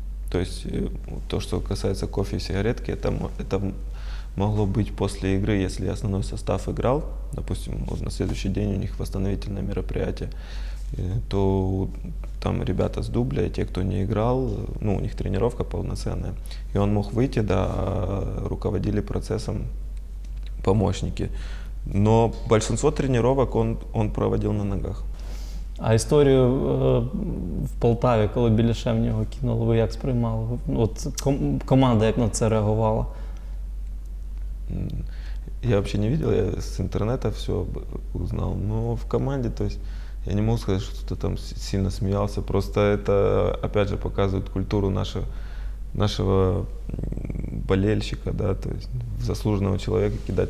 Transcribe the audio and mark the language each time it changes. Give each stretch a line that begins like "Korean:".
Russian: То есть, то, что касается кофе и сигаретки, это могло быть после игры, если основной состав играл, допустим, вот на следующий день у них восстановительное мероприятие, то там ребята с дубля, те, кто не играл, ну, у них тренировка полноценная. И он мог выйти, да, руководили процессом помощники. Но большинство тренировок он проводил на ногах.
Ukrainian: А історію в Полтаві, коли Біляше в нього кинули, ви як сприймали? От команда як на це реагувала? Я взагалі не бачив, я з інтернету все узнав. Ну, в команді, тобто, я не можу сказати, що хтось там сильно сміявся. Просто це,
Russian: опять же,
Ukrainian: показує культуру нашого
Russian: болельщика, да, то есть заслуженного человека кидать.